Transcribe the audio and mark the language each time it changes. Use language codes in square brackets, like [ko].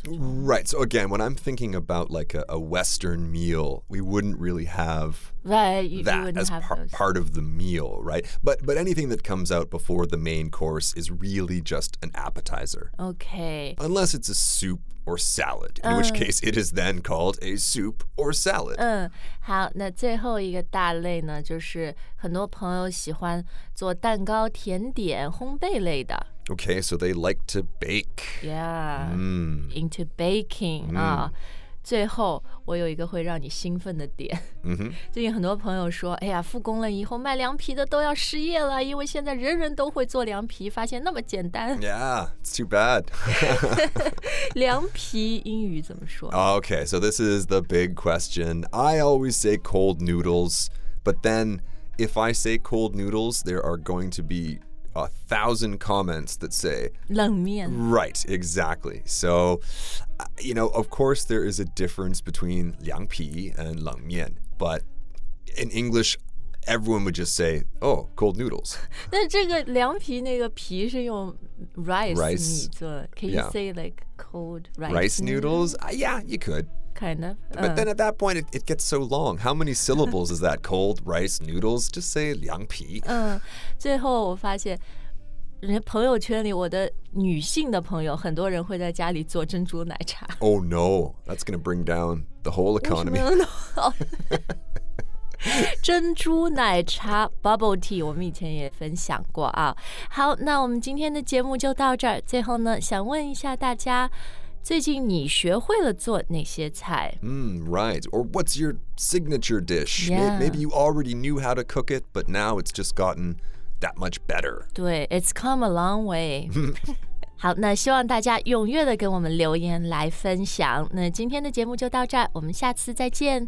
[en] Right, so again, when I'm thinking about like a Western meal, we wouldn't really have that as part of the meal, right? But anything that comes out before the main course is really just an appetizer. Okay. Unless it's a soup or salad, in which case it is then called a soup or salad. [zh] 好那最后一个大类呢就是很多朋友喜欢做蛋糕甜点烘焙类的 [en] Okay, so they like to bake Yeah, into baking [zh] 最后我有一个会让你兴奋的点、 mm-hmm. 最近很多朋友说哎呀复工了以后卖凉皮的都要失业了因为现在人人都会做凉皮发现那么简单 [en] Yeah, it's too bad [zh] 凉皮英语怎么说 [en] Okay, so this is the big question I always say cold noodles But thenIf I say cold noodles, there are going to be 1,000 comments that say... [zh] 冷面 [en] Right, exactly. So, you know, of course there is a difference between 凉皮 and 冷面, but in English, everyone would just say, oh, cold noodles. [zh] 那这个凉皮那个皮是用 rice 米做 [en] Can you、 yeah. say like cold rice, rice noodles? Yeah, you could. Kind of. But then at that point, it gets so long. How many syllables is that? Cold rice noodles? Just say 凉皮. [zh] 最后我发现人家朋友圈里我的女性的朋友很多人会在家里做珍珠奶茶。 [en] Oh no, that's going to bring down the whole economy. [zh] 珍珠奶茶 bubble tea, 我们以前也分享过啊。好，那我们今天的节目就到这儿。最后呢，想问一下大家最近你学会了做哪些菜 [en] Right. Or what's your signature dish? Yeah. Maybe you already knew how to cook it, but now it's just gotten that much better. 对 it's come a long way. [zh] 好那希望大家踊跃地跟我们留言来分享。那今天的节目就到这儿我们下次再见。